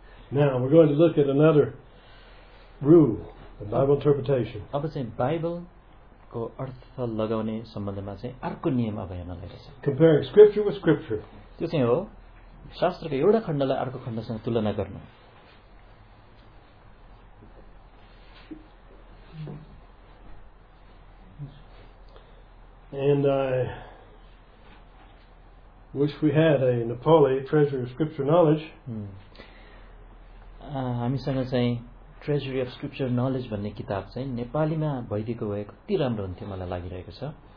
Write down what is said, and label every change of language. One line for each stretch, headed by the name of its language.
English: Now we're going to look at another rule of Bible interpretation.
Nepali: अब चाहिँ Bible को अर्थ लगाउने सम्बन्धमा चाहिँ अर्को नियम अब हेर्न लाग्छ.
English: Comparing scripture with scripture.
Nepali: त्यो चाहिँ हो शास्त्रको एउटा खण्डलाई अर्को खण्डसँग तुलना गर्नु.
English: And I wish we had a Nepali treasury of scripture knowledge.
Nepali: हामीसँग चाहिँ ट्रेजरी अफ स्क्रिप्चर नलेज भन्ने किताब चाहिँ नेपालीमा भइदिएको भए कति राम्रो हुन्थ्यो मलाई लागिरहेको छ.